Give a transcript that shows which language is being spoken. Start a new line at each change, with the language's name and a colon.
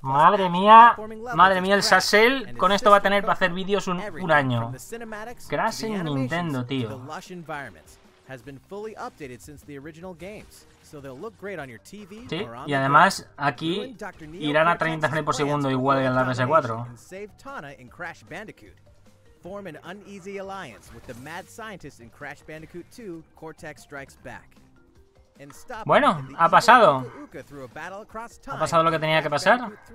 Spanish: Madre mía, el Sassel con esto va a tener para hacer vídeos un año. Gracias Nintendo, tío.
English: The lush environments has been fully updated since the original games. So they'll look great on your TV.
Spanish: Sí, y además aquí irán a 30 frames por segundo igual que en la PS4.
English: Save Tana in Crash Bandicoot. Form an uneasy alliance with the mad scientist in Crash Bandicoot 2, Cortex Strikes Back.
Spanish: Bueno, ha pasado. Ha pasado lo que tenía que pasar.